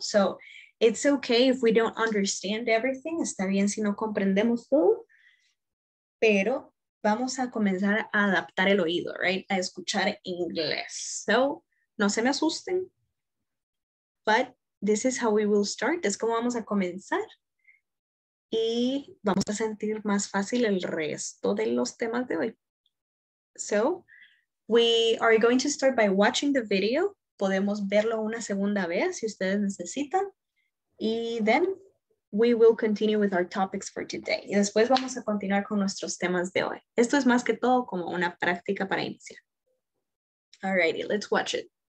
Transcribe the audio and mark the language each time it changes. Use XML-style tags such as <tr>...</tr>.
<en>So it's okay if we don't understand everything.</en> <es>Está bien si no comprendemos todo. Pero vamos a comenzar a adaptar el oído, right? A escuchar inglés. So no se me asusten.</es> <en>But this is how we will start.</en> <es>Es como vamos a comenzar. Y vamos a sentir más fácil el resto de los temas de hoy.</es> <en>So we are going to start by watching the video.</en> <es>Podemos verlo una segunda vez si ustedes necesitan.</es> <en>Y then we will continue with our topics for today.</en> <es>Y después vamos a continuar con nuestros temas de hoy. Esto es más que todo como una práctica para iniciar.</es> <en>Alrighty, let's watch it.</en>